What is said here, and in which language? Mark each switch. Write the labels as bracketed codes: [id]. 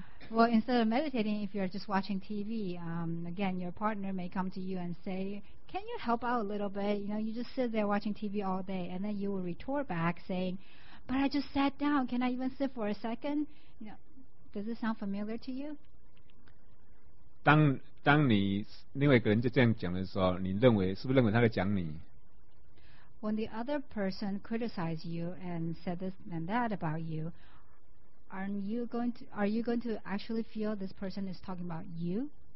[en] Well, instead of meditating, if you're just watching TV, again, your partner may come to you and say, "Can you help out a little bit? You know, you just sit there watching TV all day," and then you will retort back saying, "But I just sat down. Can I even sit for a second?" You know, does it sound familiar to you? [zh] 当你另外一个人就这样讲的时候，你认为是不是认为他在讲你？ [en] When the other person criticized you and said this and that about you, are you going to actually feel this person is talking about you?